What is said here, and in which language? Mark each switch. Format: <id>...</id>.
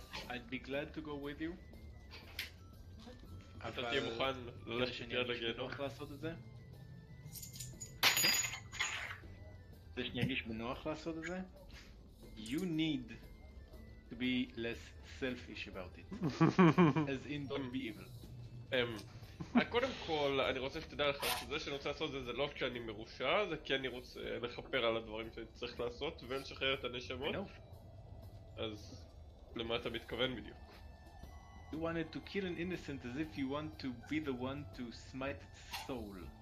<en>I'd be glad to go with you.</en> <he>אתה תהיה מוכן ללכת יד לגיהנום? כדי שאני ארגיש בנוח לעשות את זה?</he> <en>You need to be less selfish about it. As in don't be evil.</en> <he>קודם כל, אני רוצה שתדע לך שזה שאני רוצה לעשות את זה, זה לא כשאני מרושע, זה כי אני רוצה לחפר על הדברים שאני צריך לעשות ולשחרר את הנשמות. אז למה אתה מתכוון בדיוק?</he> <en>You wanted to kill an innocent as if you want to be the one to smite its soul.</en>